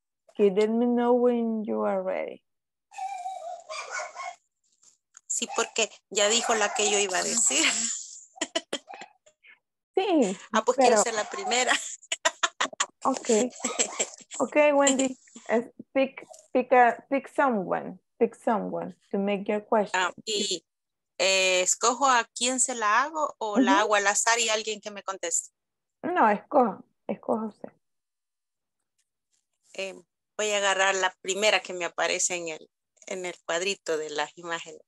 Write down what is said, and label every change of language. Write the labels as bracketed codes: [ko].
[en] Okay, let me know when you are ready. [es] Sí, porque ya dijo la que yo iba a decir. Sí, ah, pues pero... quiero ser la primera. [en] Okay, Wendy, pick someone to make your question. [es] ¿Escojo a quién se la hago o la hago al azar y alguien que me conteste? No, escojo usted. Voy a agarrar la primera que me aparece en el cuadrito de las imágenes.